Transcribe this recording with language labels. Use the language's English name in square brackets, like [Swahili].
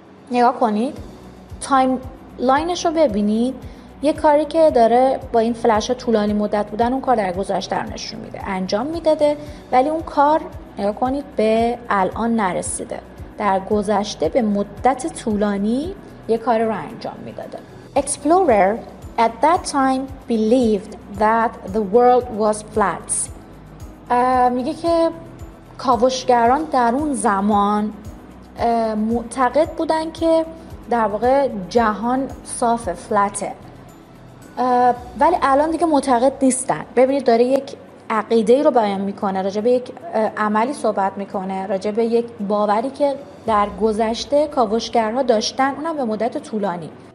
[Persian] نگاه کنید تایم لاینش رو ببینید، یه کاری که داره با این فلش طولانی مدت بودن اون کار در گذشته رو نشون میده، انجام میداده ولی اون کار نگاه کنید به الان نرسیده، در گذشته به مدت طولانی یه کار رو انجام میداده. [English] Explorer at that time believed that the world was flat. [Persian] میگه که کاوشگران در اون زمان معتقد بودن که در واقع جهان صافه، فلته، ولی الان دیگه معتقد نیستن. ببینید داره یک عقیده‌ای رو بیان میکنه، راجع به یک عملی صحبت میکنه، راجع به یک باوری که در گذشته کاوشگرها داشتن، اونم به مدت طولانی.